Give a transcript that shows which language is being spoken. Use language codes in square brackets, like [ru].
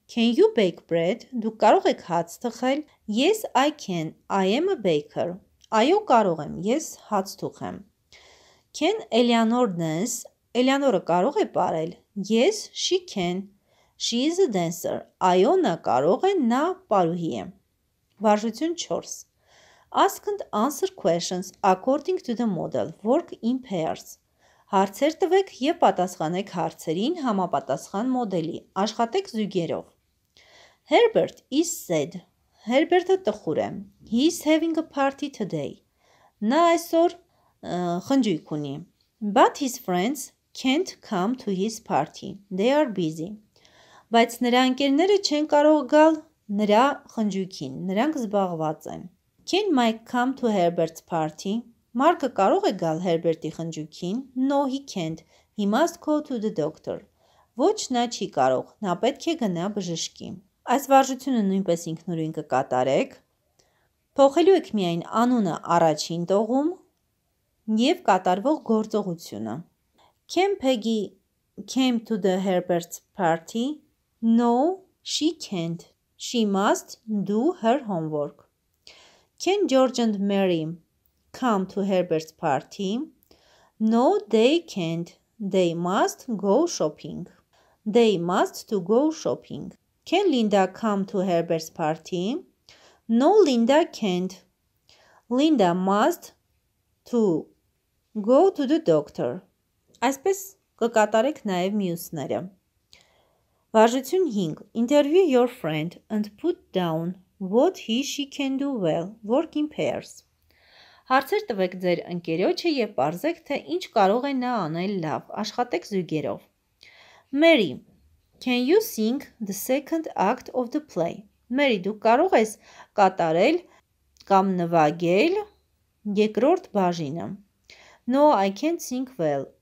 [en] Can you bake bread? [hy] Դու կարող ես հաց թխել? [en] Yes, I can. I am a baker. [hy] Այո, կարող եմ, ես հաց թուխեմ. [en] Can Eleanor dance? [hy] Eleanor-ը կարող է պարել? [en] Yes, she can. She is a dancer. [hy] Այո, նա կարող է, նա պարուհի է։ Վարժություն 4. [en] Ask and answer questions according to the model. Work in pairs. [hy] Հարցեր տվեք և պատասխանեք հարցերին համապատասխան մոդելի։ Աշխատեք զույգերով։ [en] Herbert is sad. [hy] Herbert-ը տխուր է. [en] He is having a party today. [hy] Նա այսօր խնջույք ունի։ [en] But his friends can't come to his party. They are busy. [hy] Բայց նրա ընկերները չեն կարող գալ նրա խնջույքին, նրանք զբաղված են։ [en] Can Mike come to Herbert's party? [hy] Մարկը կարող է գալ Herbert-ի խնջույքին։ [en] No, he can't. He must go to the doctor. [hy] Ոչ, նա չի կարող, նա պետք է գնա բժշկի։ Այս վարժությունը նույնպես ինքնուրույն կկատարեք։ Փոխելու եք միայն անունը առաջին տողում և կատարվող գործողությունը։ [en] Can Peggy came to the Herbert's party? No, she can't. She must do her homework. Can George and Mary come to Herbert's party? No, they can't. They must go shopping. They must to go shopping. Can Linda come to Herbert's party? No, Linda can't. Linda must to go to the doctor. [hy] Այսպես կկատարեք նաև մյուսները։ Վարժություն 5. [en] Interview your friend and put down what he she can do well. Work in pairs. [hy] Հարցեր տվեք ձեր ընկերոջը և պարզեք, թե ինչ կարող է նա անել լավ։ Աշխատեք զույգերով։ [en] Mary, can you sing the second act of the play? [hy] Mary, դու կարող ես կատարել կամ նվագել երկրորդ բաժինը։ [en] No, I can't sing well.